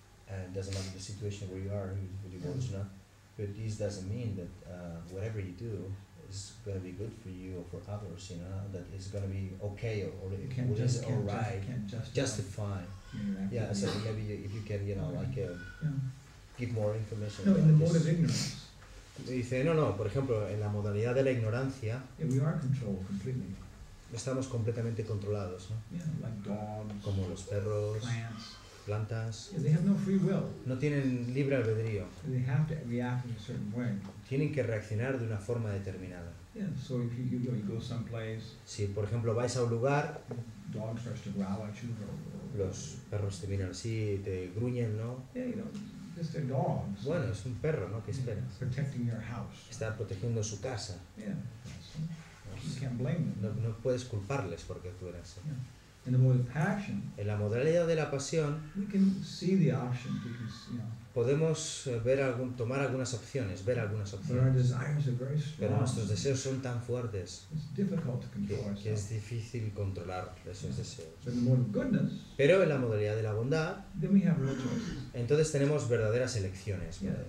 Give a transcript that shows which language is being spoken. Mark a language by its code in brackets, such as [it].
[en] And it doesn't matter the situation where you are, with your words, you know. But this doesn't mean that whatever you do is going to be good for you or for others, you know, that it's going to be okay or it can't just, all right, justify. Yeah, so maybe if you can, you know, like give more information. No, in the mode of ignorance. [es] Dice, no, por ejemplo, en la modalidad de la ignorancia. [en] Yeah, we are controlled completely. [es] Estamos completamente controlados, ¿no? [en] Yeah, like dogs. [es] Como los perros. [en] Plants. [es] Plantas. [en] Yeah, they have no free will. [es] No tienen libre albedrío. [en] They have to react in a certain way. [es] Tienen que reaccionar de una forma determinada. [en] Yeah, so if you go someplace, [es] si, por ejemplo, vais a un lugar, [en] dogs start to growl at you, [es] los perros te miran así, te gruñen, ¿no? [en] Yeah, you know, it's their dogs. [es] Bueno, es un perro, ¿no? ¿Qué esperas? [en] Yeah, protecting your house. [es] Está protegiendo su casa. [en] Yeah, so you can't blame them. [es] No puedes culparles porque tú eres así. [en] Yeah. And the more the passion, [es] en la modalidad de la pasión, [en] we can see the option because, you know, [es] podemos ver algún, tomar algunas opciones, ver algunas opciones. Pero nuestros deseos son tan fuertes que es difícil controlar esos deseos. Pero en la modalidad de la bondad, entonces tenemos verdaderas elecciones.